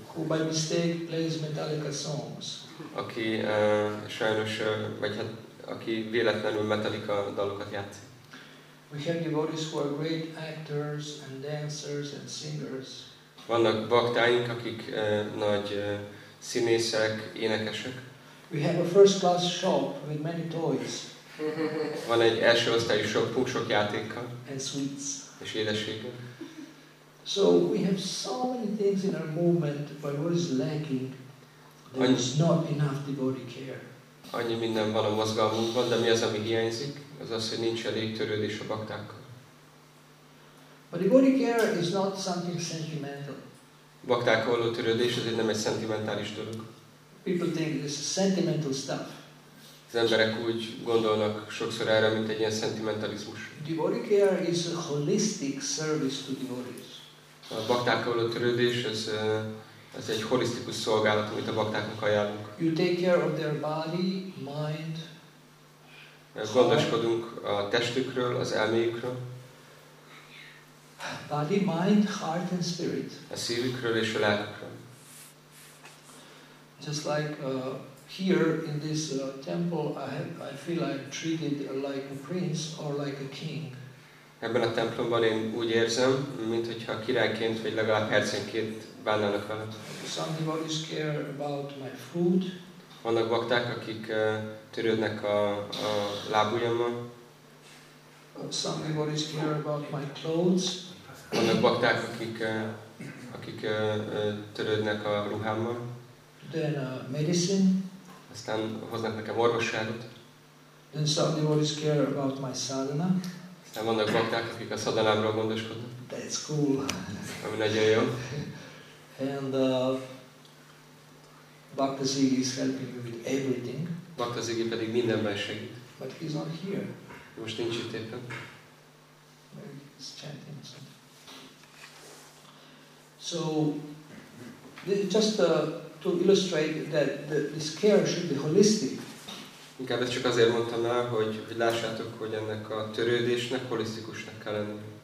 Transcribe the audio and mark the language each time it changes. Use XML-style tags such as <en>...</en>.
<en>Who by mistake plays Metallica songs.</en> <hu>Aki sajnos, vagy hát aki véletlenül Metallica dalokat játszik.</hu> <en>We have devotees who are great actors and dancers and singers.</en> <hu>Vannak baktáink, akik nagy színészek, énekesek.</hu> <en>We have a first class shop with many toys.</en> <hu>Van egy első osztályú shopunk sok játékkal.</hu> <en>And sweets.</en> <hu>És édességek.</hu> <en>So we have so many things in our movement, but what is lacking? There is not enough devotee care.</en> <hu>Annyi minden van a mozgalmunkban, de mi az, ami hiányzik? Az az, hogy nincs elég törődés a baktákkal.</hu> <en>But devotee care is not something sentimental.</en> <hu>Baktákkal való törődés azért nem egy szentimentális dolog.</hu> <en>People think this is sentimental stuff.</en> <hu>Az emberek úgy gondolnak sokszor erre, mint egy ilyen szentimentalizmus.</hu> <en>Devotee care is a holistic service to devotees.</en> <hu>A baktákkal való törődés az egy holisztikus szolgálat, amit a baktáknak ajánlunk.</hu> <en>You take care of their body, mind.</en> <hu>Gondoskodunk a testükről, az elméjükről.</hu> <en>Body, mind, heart and spirit.</en> <hu>A szívükről és a lelkükről.</hu> <en>Just like here in this temple, I feel I'm treated like a prince or like a king.</en> <hu>Ebben a templomban én úgy érzem, mint hogyha királyként vagy legalább hercegként bánnának velem.</hu> <en>Some devotees care about my food.</en> <hu>Vannak bakták, akik törődnek a lábujjammal.</hu> <en>Some devotees care about my clothes.</en> <hu>Vannak bakták, akik törődnek a ruhámmal.</hu> <en>Then medicine.</en> <hu>Aztán hoznak nekem orvosságot.</hu> <en>Then some devotees care about my sadhana.</en> <hu>Aztán vannak bakták, akik a szadalámról gondoskodnak.</hu> <en>That's cool.</en> <hu>Ami nagyon jó.</hu> <en>And Bhakta Zigi is helping me with everything.</en> <hu>Bhakta Zigi pedig mindenben segít.</hu> <en>But he's not here.</en> <hu>Most nincs itt éppen.</hu> <en>Maybe he's chanting or something. So, just to illustrate that this care should be holistic.</en> <hu>Inkább ezt csak azért mondtam el, hogy lássátok, hogy ennek a törődésnek holisztikusnak kell lenni.</hu>